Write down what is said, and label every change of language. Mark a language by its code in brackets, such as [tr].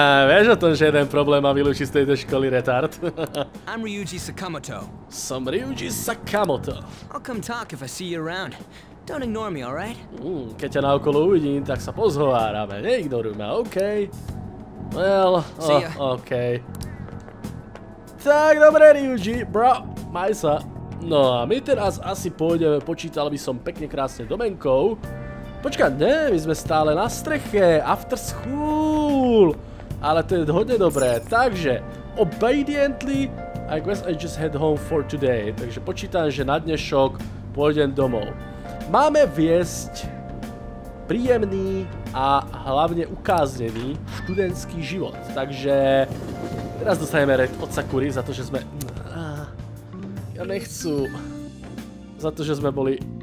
[sk] vieš o tom, že jeden problém má vylúčiť z tejto školy, retard? [en] I'm Ryuji Sakamoto. [sk] Som Ryuji Sakamoto. [en] I'll come talk if I see you around. Don't ignore me, alright? [sk] Keď ťa naokolo uvidím, tak sa pozhovárame. Neignoruj ma, okej. Well, okej. Tak, dobre, Ryuji, bro. Maj sa. No a my teraz asi pôjdeme, počítal by som pekne krásne domenkou. Počkaj, ne, my sme stále na streche, [en] after school. [sk] Ale to je hodne dobré, takže [en] obediently I guess I just head home for today. [sk] Takže počítam, že na dnešok pôjdem domov. Máme viesť príjemný a hlavne ukáznený študentský život. Takže teraz dostaneme red od Sakury za to, že sme... Ja nechcú. Za to, že sme boli...